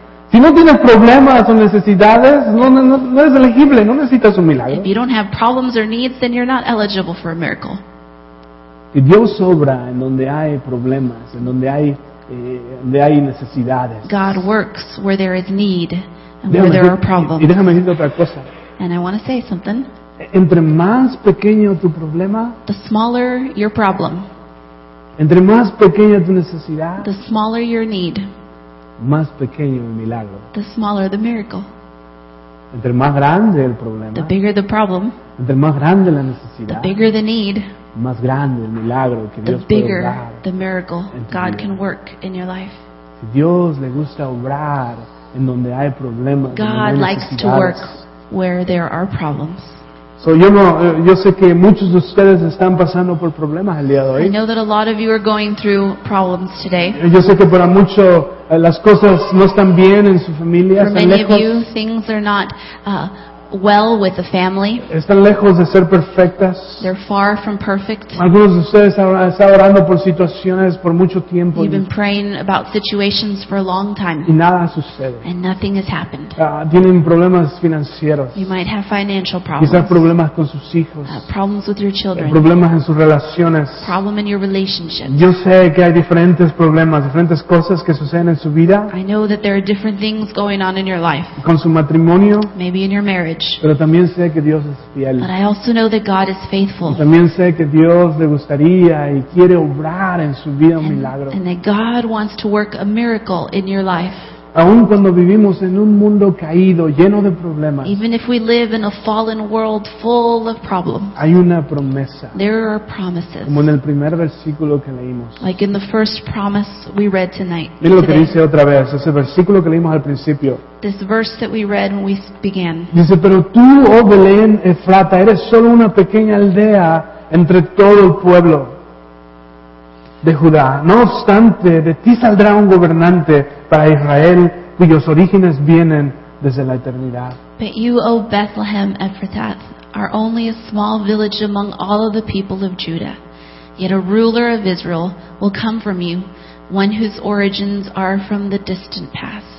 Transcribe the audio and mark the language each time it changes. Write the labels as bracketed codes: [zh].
[es] Si no tienes problemas o necesidades, no eres elegible, no necesitas un milagro. [en] If you don't have problems or needs, then you're not eligible for a miracle. [es] Si Dios obra en donde hay problemas, en donde hay necesidades. [en] God works where there is need and where there are problems. [es] Y déjame decirte otra cosa. [en] And I want to say something. [es] Entre más pequeño tu problema, [en] the smaller your problem. [es] Entre más pequeña tu necesidad, [en] the smaller your need. [es] Más pequeño el milagro, [en] the smaller the miracle. [es] Entre más grande el problema, [en] the bigger the problem. [es] Entre más grande la necesidad, [en] the bigger the need. [es] Más grande el milagro que [en] the [es] Dios [en] bigger [es] puede obrar [en] the miracle God can work in your life. [es] Si Dios le gusta obrar en donde hay problemas, [en] God likes to work where there are problems. [es] So yo sé que muchos de ustedes están pasando por problemas el día de hoy. [en] I know that a lot of you are going through problems today. [es] Yo sé que para muchos las cosas no están bien en su familia. [en] For [es] están [en] many [es] lejos. [en] Of you, things are not well with the family. [es] Están lejos de ser perfectas. [en] They're far from perfect. [es] Algunos de ustedes están orando por situaciones por mucho tiempo. [en] You've been praying about situations for a long time. [es] Y nada sucede. [en] And nothing has happened. [es] Tienen problemas financieros. [en] You might have financial problems. [es] Quizás problemas con sus hijos. [en] Problems with your children. [es] Problemas en sus relaciones. [en] Problem in your relationship. [es] Yo sé que hay diferentes problemas, diferentes cosas que suceden en su vida. [en] I know that there are different things going on in your life. [es] Con su matrimonio. [en] Maybe in your marriage. [es] Pero también sé que Dios es fiel. [en] But I also know that God is faithful. [es] Y también sé que Dios le gustaría y quiere obrar en su vida un milagro. [en] And that God wants to work a miracle in your life. [es] Aun cuando vivimos en un mundo caído, lleno de problemas. [en] Even if we live in a fallen world full of problems. [es] Hay una promesa. [en] There are promises. [es] Como en el primer versículo que leímos. [en] Like in the first promise we read tonight. [es] Mira lo que dice otra vez, ese versículo que leímos al principio. [en] This verse that we read when we began. [es] Dice, pero tú, oh Belén Efrata, eres solo una pequeña aldea entre todo el pueblo de Judá. No obstante, de ti saldrá un gobernante para Israel, cuyos orígenes vienen desde la eternidad. [en] But you, O Bethlehem Ephrathah, are only a small village among all of the people of Judah. Yet a ruler of Israel will come from you, one whose origins are from the distant past.